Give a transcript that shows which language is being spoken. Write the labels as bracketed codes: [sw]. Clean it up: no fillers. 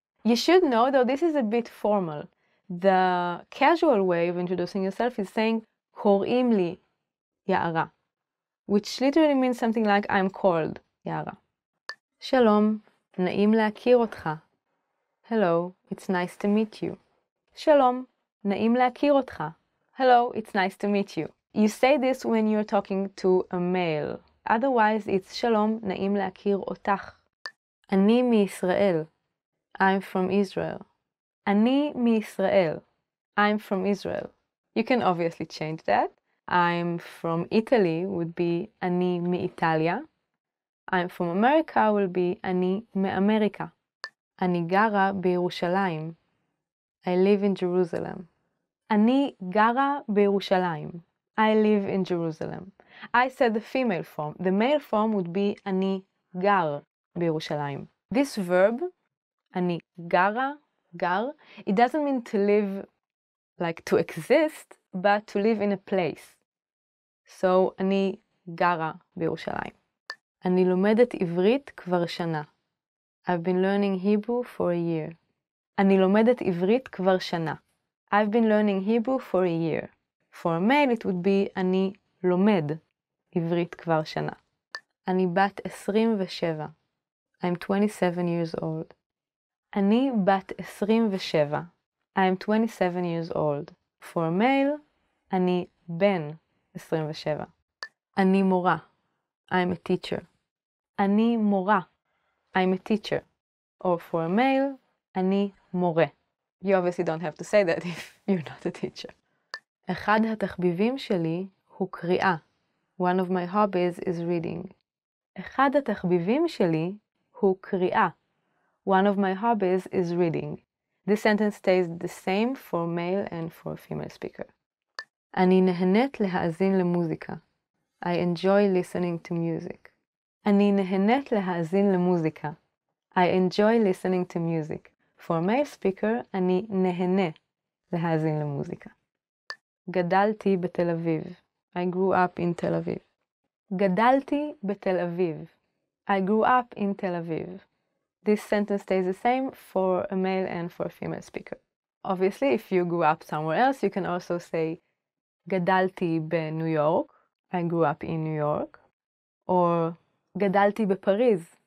[en] You should know, though, this is a bit formal. The casual way of introducing yourself is saying [he] קוראים לי יערה, [en] which literally means something like I'm called יערה. [he] שלום, נעים להכיר אותך. [en] Hello, it's nice to meet you. [he] שלום, נעים להכיר אותך. [en] Hello, it's nice to meet you. You say this when you're talking to a male. Otherwise, it's [he] שלום, נעים להכיר אותך. אני מישראל. [en] I'm from Israel. אני מישראל. I'm from Israel. You can obviously change that. I'm from Italy would be [he] אני מאיטליה. [en] I'm from America will be [he] אני מאמריקה. אני גרה בירושלים. [en] I live in Jerusalem. [he] אני גרה בירושלים. [en] I live in Jerusalem. I said the female form. The male form would be [he] אני גר בירושלים. [en] This verb, [he] אני גרה, גר. [en] It doesn't mean to live, like to exist, but to live in a place. [he] So, אני גרה בירושלים. אני לומדת עברית כבר שנה. [en] I've been learning Hebrew for a year. [he] אני לומדת עברית כבר שנה. [en] I've been learning Hebrew for a year. For a male, it would be, [he] אני לומד עברית כבר שנה. אני בת 27. [en] I'm 27 years old. [he] אני בת 27. [en] I'm 27 years old. For a male, [he] אני בן 27. אני מורה. [en] I'm a teacher. אני מורה. I'm a teacher. Or for a male, [he] אני מורה. [en] You obviously don't have to say that if you're not a teacher. [he] אחד התחביבים שלי הוא קריאה. [en] One of my hobbies is reading. [he] אחד התחביבים שלי הוא קריאה. [en] One of my hobbies is reading. This sentence stays the same for male and for female speaker. [he] אני נהנית להאזין למוזיקה. [en] I enjoy listening to music. [he] אני נהנית להאזין למוזיקה. [en] I enjoy listening to music. For a male speaker, [he] אני נהנה להאזין למוזיקה. גדלתי בתל אביב. [en] I grew up in Tel Aviv. [he] גדלתי בתל אביב. [en] I grew up in Tel Aviv. This sentence stays the same for a male and for a female speaker. Obviously, if you grew up somewhere else, you can also say [he] גדלתי בניו יורק. [en] I grew up in New York. [he] Or גדלתי בפריז.